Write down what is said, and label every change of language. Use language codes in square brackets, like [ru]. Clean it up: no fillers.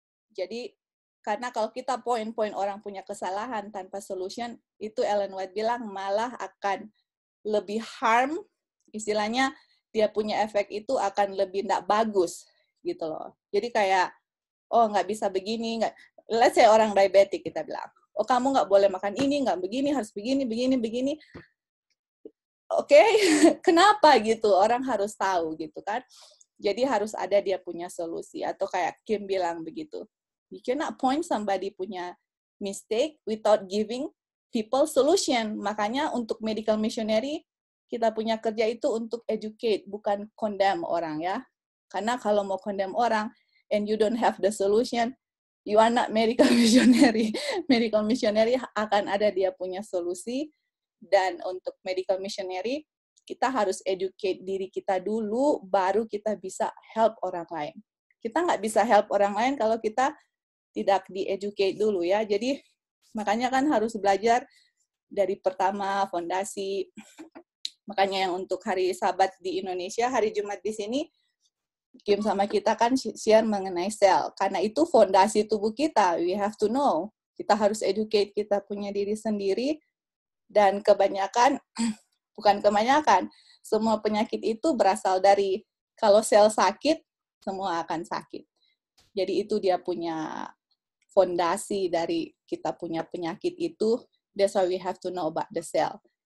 [id] Jadi, karena kalau kita point-point orang punya kesalahan tanpa solution, itu Ellen White bilang malah akan lebih harm, istilahnya dia punya efek itu akan lebih tidak bagus, gitu loh. Jadi kayak, oh nggak bisa begini, nggak. [en] Let's say [id] orang diabetic, kita bilang. Oh, kamu nggak boleh makan ini, nggak begini, harus begini, begini, begini. Oke, kenapa gitu? Orang harus tahu gitu kan. Jadi harus ada dia punya solusi. Atau kayak Kim bilang begitu. [en] You cannot point somebody punya mistake without giving people solution. [id] Makanya untuk medical missionary, kita punya kerja itu untuk educate, bukan condemn orang ya. Karena kalau mau condemn orang, [en] and you don't have the solution, you are not medical missionary. [id] Medical missionary akan ada dia punya solusi. Dan untuk medical missionary, kita harus educate diri kita dulu, baru kita bisa help orang lain. Kita nggak bisa help orang lain kalau kita tidak di-educate dulu ya. Jadi, makanya kan harus belajar dari pertama, fondasi. Makanya yang untuk hari Sabat di Indonesia, hari Jumat di sini, Kim sama kita kan share mengenai sel. Karena itu fondasi tubuh kita, [en] we have to know. [id] Kita harus educate kita punya diri sendiri. Dan kebanyakan, bukan kebanyakan, semua penyakit itu berasal dari, kalau sel sakit, semua akan sakit. Jadi itu dia punya fondasi dari kita punya penyakit itu. [en] That's why we have to know about the cell.